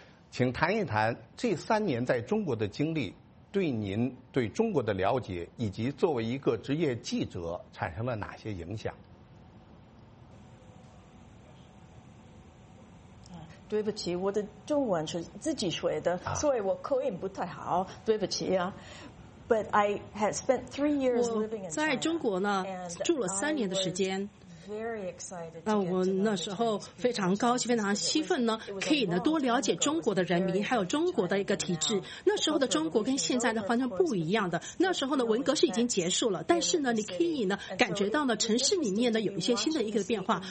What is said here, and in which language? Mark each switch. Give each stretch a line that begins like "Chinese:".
Chinese: 请谈一谈这3年在中国的经历，对您对中国的了解，以及作为一个职业记者产生了哪些影响？对不起，我的中文是自己学的，啊，所以我口音不太好，对不起啊。
English: But I had spent 3 years living in China.
Chinese: 我在中国呢住了3年的时间。那我那时候非常高兴，非常兴奋呢，可以呢多了解中国的人民，还有中国的一个体制。那时候的中国跟现在的完全不一样的。那时候呢，文革是已经结束了，但是呢，你可以呢感觉到呢城市里面呢有一些新的一个变化。